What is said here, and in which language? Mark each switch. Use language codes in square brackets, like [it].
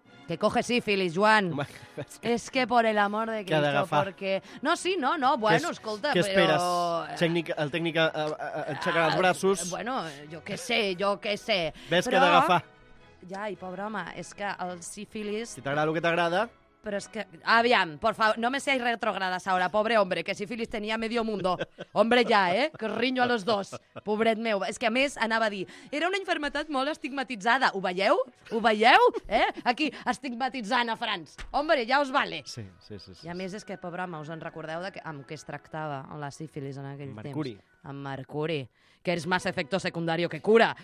[es] Que coge sífilis, Joan. [ca] Home, [es] és que por el amor de Cristo, porque... No, sí, no, no, bueno, que [ca] es, escolta, que però... Tècnica, el tècnic aixecarà els braços... Bueno, jo què sé, jo què sé. Ves però... que ha d'agafar. Ja, i pobre home, és que el sífilis... Si t'agrada el que t'agrada... Però és que... [es] Aviam, por favor, no me seáis retrogradas ahora, pobre hombre, que sífilis tenia medio mundo. Hombre, ja, eh? Que riño a los dos, [ca] pobret meu. És que, a més, anava a dir, era [es] una enfermedad [ca] molt estigmatitzada. Ho veieu? Ho veieu? Eh? Aquí, estigmatitzant a Frans. Hombre, ja us vale. Sí, sí, sí, sí. I a més, és que, pobre home, us en recordeu de que, amb què es tractava la sífilis en aquell Mercuri. Temps? Amb Mercuri. Que és [es] más efecto secundario que cura.